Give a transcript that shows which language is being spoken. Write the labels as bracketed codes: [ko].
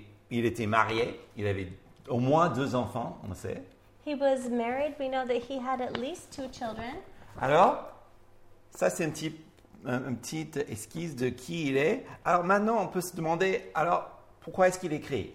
[fr] Il était marié, il avait au moins deux enfants, on sait. [en] He was married, we know that he had at least two children. [fr] Alors, ça c'est une petite esquisse de qui il est. Alors maintenant, on peut se demander, alors, pourquoi est-ce qu'il écrit?